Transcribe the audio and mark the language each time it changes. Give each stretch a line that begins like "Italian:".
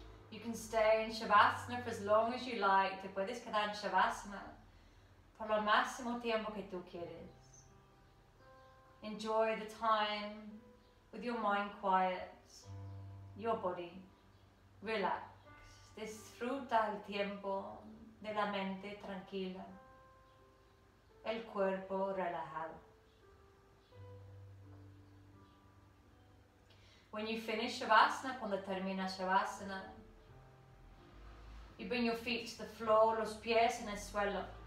English: You can stay in Shavasana for as long as you like.
Spanish: Te puedes quedar en Shavasana por lo máximo tiempo que tú quieres.
English: Enjoy the time with your mind quiet, your body. Relax.
Spanish: Disfruta el tiempo de la mente tranquila, el cuerpo relajado.
English: When you finish Shavasana,
Spanish: cuando terminas Shavasana,
English: you bring your feet to the floor,
Spanish: los pies en el suelo.